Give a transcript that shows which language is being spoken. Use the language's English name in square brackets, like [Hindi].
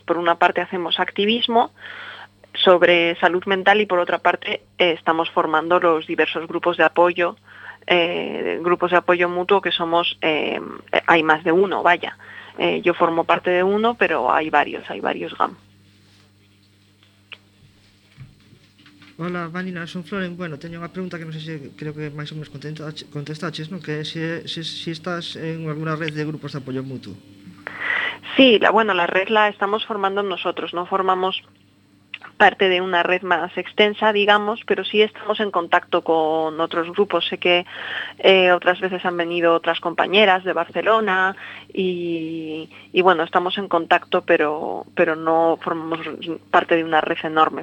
[Spanish] Por una parte hacemos activismo sobre salud mental y por otra parte estamos formando los diversos grupos de apoyo, que somos, hay más de uno, vaya. Yo formo parte de uno, pero hay varios GAM. [Galician] Hola, Vanina, son Floren. Bueno, teño unha pregunta que non sei se creo que máis ou menos contestaches, non? Que se estás en alguna red de grupos de apoio mutuo. [Spanish] Sí, la red la estamos formando nosotros, non formamos parte de una red más extensa, digamos, pero sí estamos en contacto con otros grupos. Sé que otras veces han venido otras compañeras de Barcelona y bueno, estamos en contacto, pero no formamos parte de una red enorme.